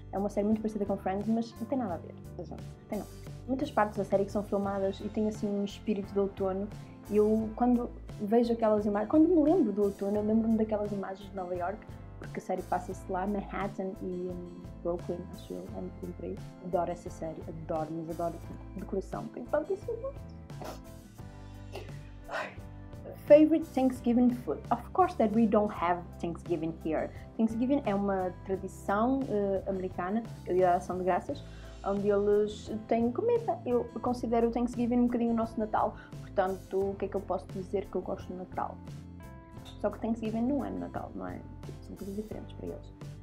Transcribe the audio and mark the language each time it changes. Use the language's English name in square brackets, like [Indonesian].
[Portuguese] É uma série muito parecida com Friends, mas não tem nada a ver. Tem não. Muitas partes da série que são filmadas e têm assim um espírito de outono. E eu, quando vejo aquelas imagens, quando me lembro do outono, eu lembro-me daquelas imagens de Nova York, porque a série passa-se lá, Manhattan e Brooklyn, acho eu, é muito incrível. Adoro essa série, adoro, mas adoro de coração. Então, isso é muito. [English] Favorite Thanksgiving food? Of course that we don't have Thanksgiving here. [Portuguese] Thanksgiving é uma tradição americana, a Dia da Ação de Graças, onde eles têm comida. Eu considero o Thanksgiving um bocadinho o nosso Natal, portanto, o que é que eu posso dizer que eu gosto do Natal? Só que Thanksgiving não é no Natal, não é? São coisas diferentes para eles.